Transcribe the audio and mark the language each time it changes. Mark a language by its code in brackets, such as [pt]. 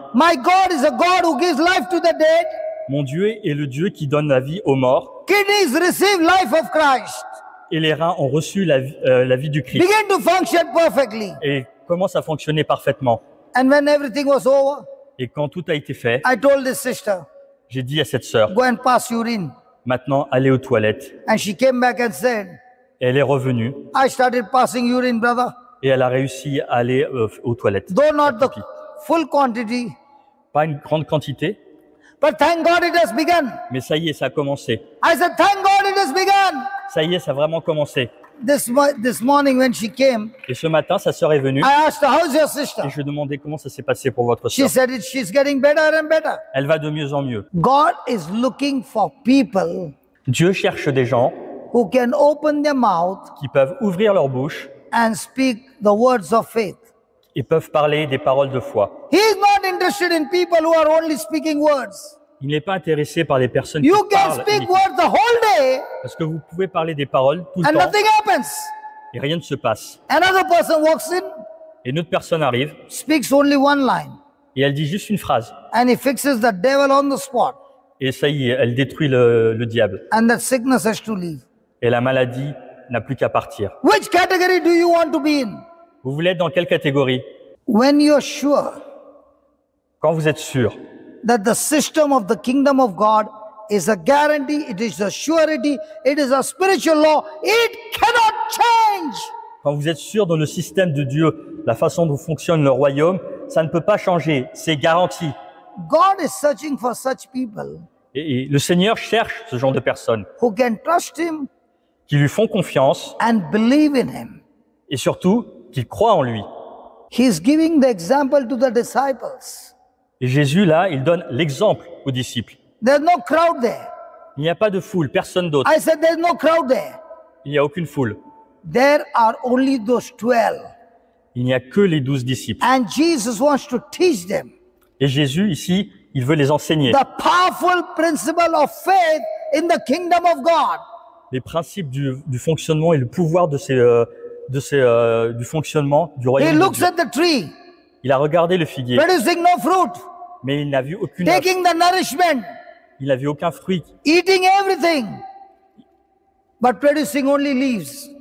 [en] My God is a God who gives life to the dead. [fr] Mon Dieu est le Dieu qui donne la vie aux morts. [en] Kidneys receive life of Christ. [fr] Et les reins ont reçu la vie du Christ. [en] Begin to function perfectly. [fr] Et commence à fonctionner parfaitement. [en] And when everything was over. [fr] Et quand tout a été fait, [en] I told this sister, [fr] j'ai dit à cette sœur, [en] go and pass urine. [fr] Maintenant, allez aux toilettes. [en] And she came back and said, [fr] elle est revenue. [en] I started passing urine, brother. [fr] Et elle a réussi à aller aux toilettes. [en] Though not the full quantity, [fr] pas une grande quantité. [en] But thank God it has begun. [fr] Mais ça y est, ça a commencé. [en] I said, thank God it has begun. [fr] Ça y est, ça a vraiment commencé. [en] This morning when she came, [fr] et ce matin, sa sœur est venue. [en] I asked her, how's your sister? [fr] Et je demandais comment ça s'est passé pour votre sœur. [en] She said it, she's getting better and better. [fr] Elle va de mieux en mieux. [en] God is looking for people. [fr] Dieu cherche des gens [en] who can open their mouth, [fr] qui peuvent ouvrir leur bouche, [en] and speak the words of faith. [fr] Et peuvent parler des paroles de foi. [en] He is not interested in people who are only speaking words. [fr] Il n'est pas intéressé par les personnes [en] you [fr] qui parlent. [en] Speak words the whole day, [fr] parce que vous pouvez parler des paroles tout [en] and [fr] le temps. [en] Nothing happens. [fr] Et rien ne se passe. [en] Another person walks in, [fr] et une autre personne arrive. [en] Speaks only one line, [fr] et elle dit juste une phrase. [en] And he fixes the devil on the spot, [fr] et ça y est, elle détruit le diable. [en] And that sickness has to leave. [fr] Et la maladie n'a plus qu'à partir. [en] Which category do you want to be in? [fr] Vous voulez être dans quelle catégorie? [en] When you're sure, [fr] quand vous êtes sûr. [en] That the system of the kingdom of God is a guarantee, it is a surety, it is a spiritual law, it cannot change. [fr] Quand vous êtes sûr dans le système de Dieu, la façon dont fonctionne le royaume, ça ne peut pas changer, c'est garanti. [en] God is searching for such people. [fr] Et le Seigneur cherche ce genre de personnes. [en] Who can trust him. [fr] Qui lui font confiance. [en] And believe in him. [fr] Et surtout, qui croient en lui. [en] He is giving the example to the disciples. [fr] Et Jésus, là, il donne l'exemple aux disciples. [en] There's no crowd there. [fr] Il n'y a pas de foule, personne d'autre. [en] I said, there's no crowd there. [fr] Il n'y a aucune foule. [en] There are only those 12. [fr] Il n'y a que les 12 disciples. [en] And Jesus wants to teach them. [fr] Et Jésus, ici, il veut les enseigner. [en] The powerful principle of faith in the kingdom of God. [fr] Les principes du fonctionnement et le pouvoir du fonctionnement du royaume de Dieu. [en] He looks at the tree. [fr] Il a regardé le figuier. [en] Producing no fruit. [fr] Mais il n'a vu aucune. [en] Taking the nourishment. [fr] Il n'a vu aucun fruit. [en] Eating everything, but producing only leaves.